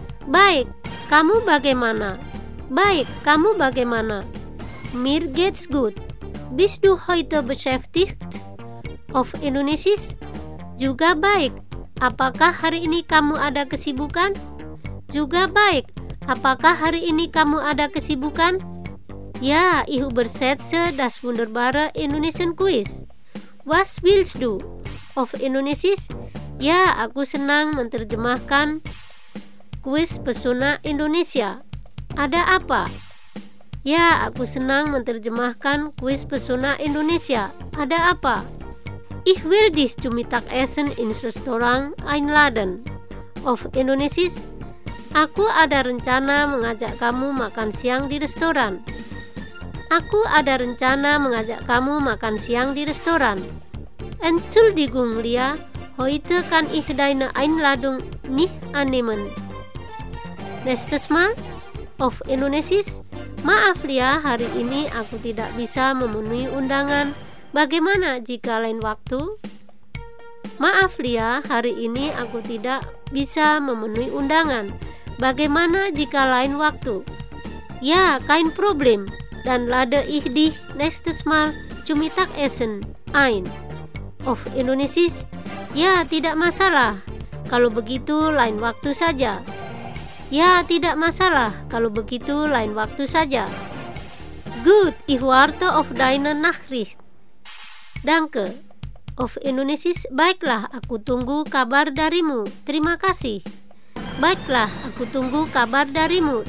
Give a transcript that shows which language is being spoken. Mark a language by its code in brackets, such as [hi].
[id] Baik, kamu bagaimana? Baik, kamu bagaimana? [de] mir geht's gut. Bist du heute beschäftigt? Auf Indonesisch? [id] Juga baik. Apakah hari ini kamu ada kesibukan? Juga baik. Apakah hari ini kamu ada kesibukan? [de] Ya, ich übersetze das wunderbare Indonesian Quiz. Was willst du? Auf Indonesisch? [id] Ya, aku senang menerjemahkan kuis pesona Indonesia. Ada apa? Ya, aku senang menerjemahkan kuis pesona Indonesia. Ada apa? [de] Ich will dich zum Mittagessen ins Restaurant einladen. Auf Indonesisch? [id] Aku ada rencana mengajak kamu makan siang di restoran. Aku ada rencana mengajak kamu makan siang di restoran. [de] Entschuldigung, Lia. Heute kann ich deine Einladung nicht annehmen. Nächstes Mal? Auf Indonesisch? [id] Maaf, Lia. Hari ini aku tidak bisa memenuhi undangan. Bagaimana jika lain waktu? Maaf, Lia. Hari ini aku tidak bisa memenuhi undangan. Bagaimana jika lain waktu? [de] Ja, kein Problem. Dann lade ich dich nächstes Mal zum Mittagessen ein. Auf Indonesisch? [id] Ja, tidak masalah. Kalau begitu, lain waktu saja. Ja, tidak masalah. Kalau begitu, lain waktu saja. [de] Gut, ich warte auf deine Nachricht. Danke. Auf Indonesisch? [id] Baiklah, aku tunggu kabar darimu. Terima kasih. Baiklah, aku tunggu kabar darimu.